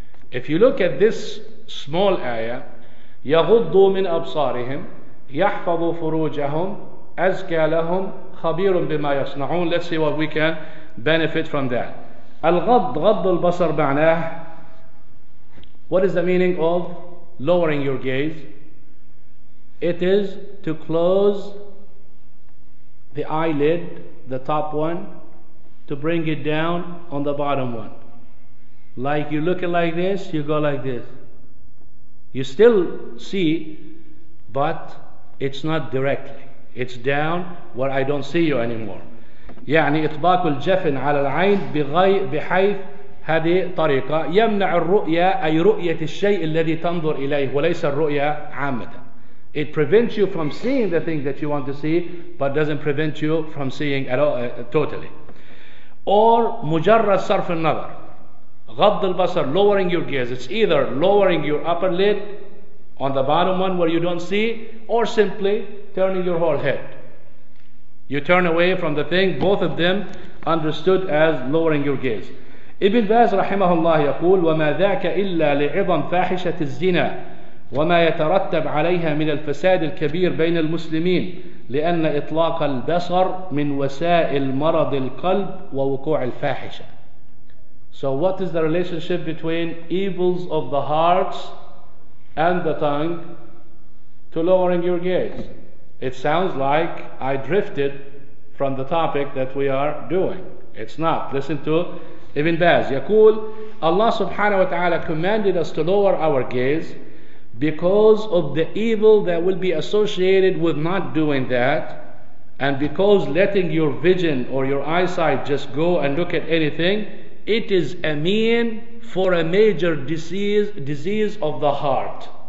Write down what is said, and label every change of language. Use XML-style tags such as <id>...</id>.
<en>If you look at this small ayah,</en> <ar>يَغُضُّوا مِنْ أَبْصَارِهِمْ يَحْفَظُوا فُرُوجَهُمْ أَزْكَى لَهُمْ خَبِيرٌ بِمَا يَصْنَعُونَ.</ar> <en>Let's see what we can benefit from that.</en> <ar>الغض, غض البصر معناه,</ar> <en>what is the meaning of lowering your gaze? It is to close the eyelid, the top one, to bring it down on the bottom one. Like you're looking like this, you go like this. You still see, but it's not directly. It's down where I don't see you anymore.</en> <ar>يعني إطباق الجفن على العين بحيث هذه طريقة يمنع الرؤية, أي رؤية الشيء الذي تنظر إليه وليس الرؤية عامة.</ar> <en>It prevents you from seeing the thing that you want to see, but doesn't prevent you from seeing at all, totally.</en> <ar>Or مجرد صرف النظر, غض البصر,</ar> <en>lowering your gaze. It's either lowering your upper lid on the bottom one where you don't see, or simply turning your whole head. You turn away from the thing. Both of them understood as lowering your gaze.</en> <ar>Ibn Baz rahimahullah yaqul, وما ذاك إلا لعظم فاحشة الزنا وما يترتب عليها من الفساد الكبير بين المسلمين لأن إطلاق البصر من وسائل مرض القلب ووقوع الفاحشة.</ar> <en>So what is the relationship between evils of the hearts and the tongue to lowering your gaze? It sounds like I drifted from the topic that we are doing. It's not. Listen to Ibn Baz. يقول, Allah subhanahu wa ta'ala commanded us to lower our gaze because of the evil that will be associated with not doing that, and because letting your vision or your eyesight just go and look at anything, it is a mean for a major disease of the heart.</en>